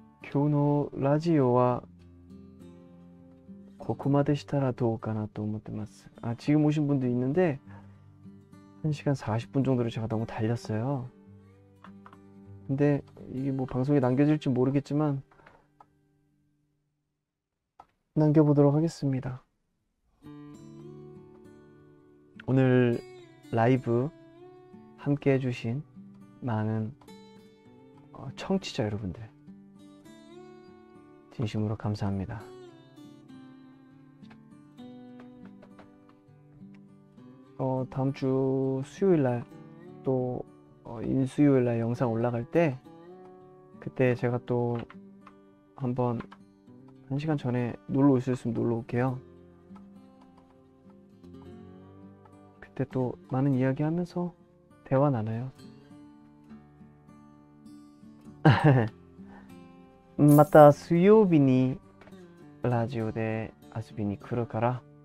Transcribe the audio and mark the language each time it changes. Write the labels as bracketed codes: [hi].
[ja] 今日のラジオはここまでしたらどうかなと思ってます。 [ko] あ、지금오신분도있는데1시간40분 정도로 제가 너무 달렸어요. 근데 이게 뭐 방송에 남겨질지 모르겠지만 남겨보도록 하겠습니다. 오늘 라이브 함께 해주신 많은 청취자 여러분들 진심으로 감사합니다. 다음 주 수요일 날또 인수요일 날 영상 올라갈 때 그때 제가 또 한번 1시간 전에 놀러 오실 수 있으면 놀러 올게요. 그때 또 많은 이야기 하면서 대화 나눠요. [ja] また [ko] 수요일 [ja] にラジオで遊びに来るから。